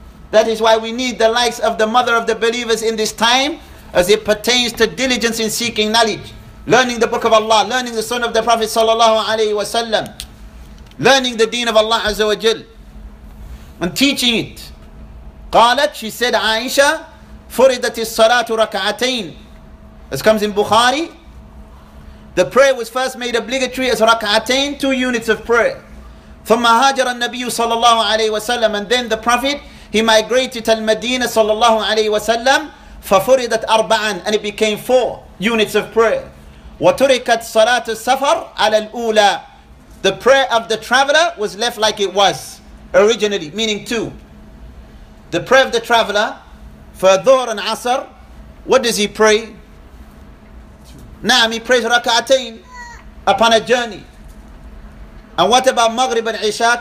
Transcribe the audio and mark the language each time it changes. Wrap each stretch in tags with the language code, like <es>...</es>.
<en>That is why we need the likes of the mother of the believers in this time, as it pertains to diligence in seeking knowledge, learning the book of Allah, learning the sunnah of the Prophet صلى الله عليه وسلم, learning the deen of Allah Azza wa Jal and teaching it.</en> <ar>قالت,</ar> <en>she said,</en> <ar>Aisha, فردت الصلاة ركعتين.</ar> <en>As comes in Bukhari, the prayer was first made obligatory as ركعتين, two units of prayer.</en> <ar>ثم هاجر النبي صلى الله عليه وسلم,</ar> <en>and then the Prophet, he migrated to المدينة صلى الله عليه وسلم,</en> <ar>ففردت أربعا,</ar> <en>and it became four units of prayer.</en> <ar>وتركت صلاة السفر على الأولى.</ar> <en>The prayer of the traveler was left like it was originally, meaning two. The prayer of the traveler for Dhuhr and Asr, what does he pray? Naam, he prays raka'atain upon a journey. And what about Maghrib and Isha?</en>